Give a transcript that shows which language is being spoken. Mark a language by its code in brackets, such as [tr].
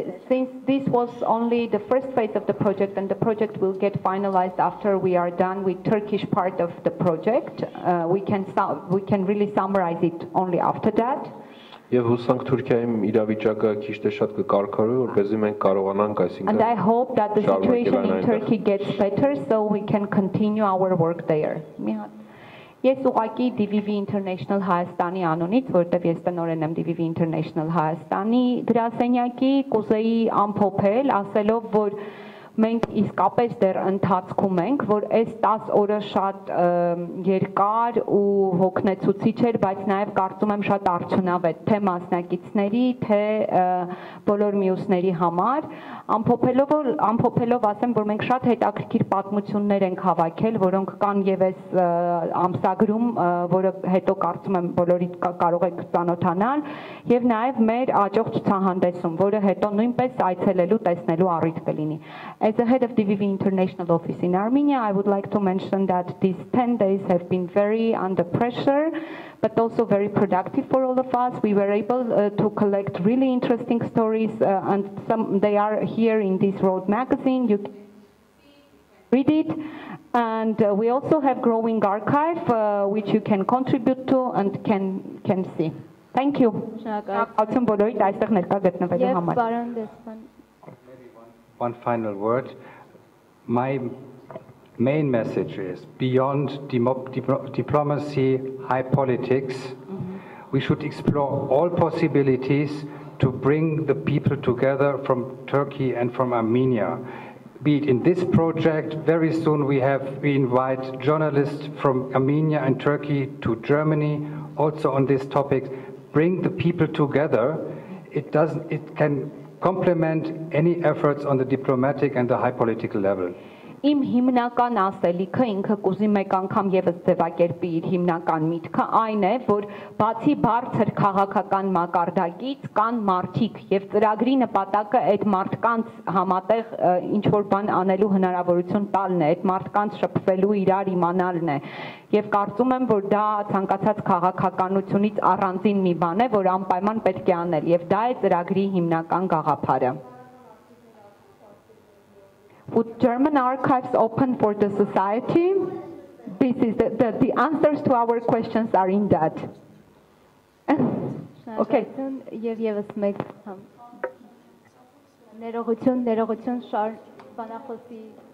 [en] Since this was only the first phase of the project and the project will get finalized after we are done with Turkish part of the project, we can really summarize it only after that. [hy] եւ հուսանք Թուրքիայում իրավիճակը ճիշտ է շատ կկարգարվի որպեսզի մենք կարողանանք այսինքն [en] And I hope that the situation in Turkey gets better so we can continue our work there. [hy] Ես ուղակի DVV International Հայաստանի անունից, որտեղ ես տնօրեն եմ DVV International Հայաստանի գրասենյակի, կուզեի ամփոփել, ասելով, որ մենք իսկապես դեռ ընթացքում ենք, որ այս 10 օրը շատ երկար ու հոգնեցուցիչ էր, բայց նաև կարծում եմ շատ արդյունավետ, թե մասնակիցների, թե բոլոր մյուսների համար, ամփոփելով ասեմ, որ մենք շատ հետաքրքիր պատմություններ ենք հավաքել, որոնք կան եւ այս ամսագրում, որը հետո կարծում եմ բոլորի կարող եք ճանոթանալ, եւ նաեւ մեր աջող ցուցահանդեսում, որը հետո նույնպես այցելելու տեսնելու առիթ կլինի։ [en] As the head of DVV International Office in Armenia, I would like to mention that these 10 days have been very under pressure, but also very productive for all of us. We were able to collect really interesting stories, and some they are here in this Road magazine. You can read it. And we also have growing archive, which you can contribute to and can see. Thank you. One final word. My main message is beyond diplomacy, high politics, we should explore all possibilities to bring the people together from Turkey and from Armenia. Be it in this project, very soon we invite journalists from Armenia and Turkey to Germany, also on this topic. Bring the people together. It can complement any efforts on the diplomatic and the high political level. [hy] Իմ հիմնական ասելիքը ինքը կուզի մեկ անգամ եւս ձևակերպի իր հիմնական միտքը այն է, որ բացի բարձր քաղաքական մակարդակից կան մարդիկ եւ ծրագրի նպատակը այդ մարդկանց համատեղ ինչ որ բան անելու հնարավորություն տալն է, այդ մարդկանց շփվելու իրար իմանալն է։ Եվ կարծում եմ, որ դա ցանկացած քաղաքականությունից առանձին մի բան է, որ անպայման պետք է անել, եւ դա է ծրագրի հիմնական գաղափարը։ [en] Would German archives open for the society? This is the answers to our questions are in that. Okay. [hy] Եվ եւս մեկ համ ներողություն շար բանախոսի